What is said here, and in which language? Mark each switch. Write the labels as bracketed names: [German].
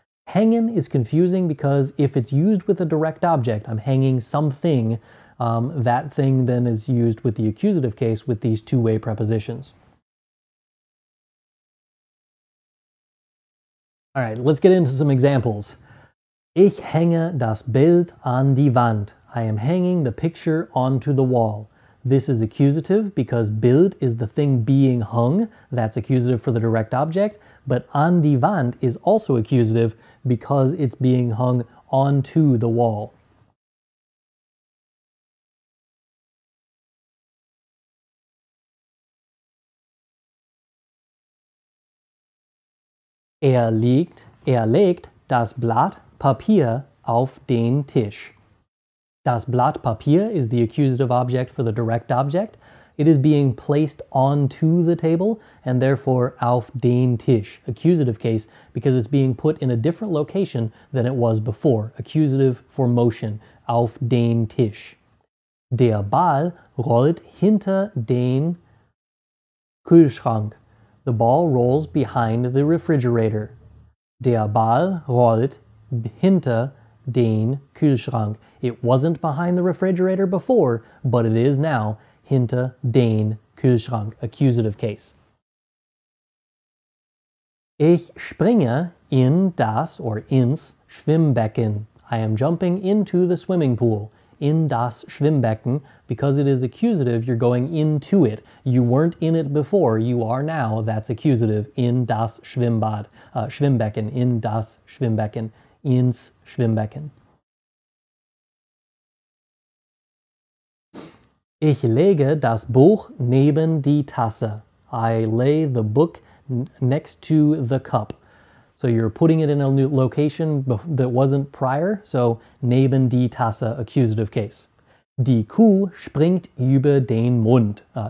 [English] Hängen is confusing because if it's used with a direct object, I'm hanging something, that thing then is used with the accusative case with these two-way prepositions. All right, let's get into some examples. [German] Ich hänge das Bild an die Wand. [English] I am hanging the picture onto the wall. This is accusative because Bild is the thing being hung. That's accusative for the direct object. But [German] an die Wand [English] is also accusative because it's being hung onto the wall. [German] Er legt das Blatt Papier auf den Tisch. Das Blatt Papier [English] is the accusative object for the direct object. It is being placed onto the table and therefore [German] auf den Tisch, [English] accusative case, because it's being put in a different location than it was before. Accusative for motion, [German] auf den Tisch. Der Ball rollt hinter den Kühlschrank. [English] The ball rolls behind the refrigerator. [German] Der Ball rollt hinter den Kühlschrank. [English] It wasn't behind the refrigerator before, but it is now. [German] Hinter den Kühlschrank, [English] accusative case. [German] Ich springe in das or ins Schwimmbecken. [English] I am jumping into the swimming pool. [German] In das Schwimmbecken, [English] because it is accusative, you're going into it. You weren't in it before, you are now. That's accusative. [German] In das Schwimmbad, Schwimmbecken, in das Schwimmbecken, ins Schwimmbecken. Ich lege das Buch neben die Tasse. [English] I lay the book next to the cup. So you're putting it in a new location that wasn't prior. So [German] neben die Tasse, [English] accusative case. [German] Die Kuh springt über den Mund.